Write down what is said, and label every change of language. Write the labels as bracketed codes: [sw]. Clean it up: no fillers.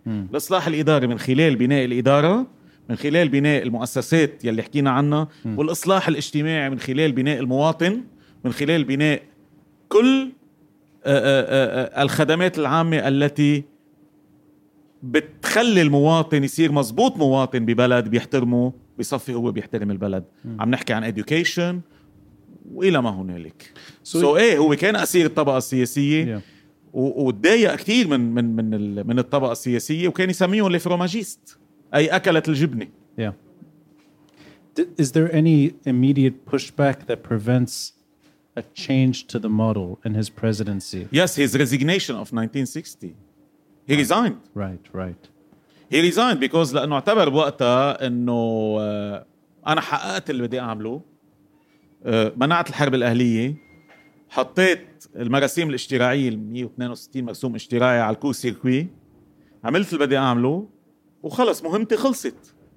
[ar] الإصلاح الإداري من خلال بناء الإدارة, من خلال بناء المؤسسات يلي حكينا عنها, والإصلاح الاجتماعي من خلال بناء المواطن, من خلال بناء كل الخدمات العامة التي بتخلي المواطن يصير مزبوط مواطن ببلد بيحترمه, بصفي هو بيحترم البلد. عم نحكي عن education وإلى ما هنالك. So إيه, هو كان أسير الطبقة السياسية. وتضايق كثير من الطبقة السياسية, وكان يسميهم الفروماجيست, أي أكلة الجبنة. [en] Is there any immediate pushback that prevents a change to the model in his presidency? Yes, his resignation of 1960. He resigned. Right. He resigned because [ar] لأنه اعتبر بوقتها أنه أنا حققت اللي بدي أعمله, منعت الحرب الأهلية, حطيت المراسيم الاشتراعية 162 مرسوم اشتراعي على الكو سيركوي, عملت اللي بدي أعمله وخلص مهمتي خلصت.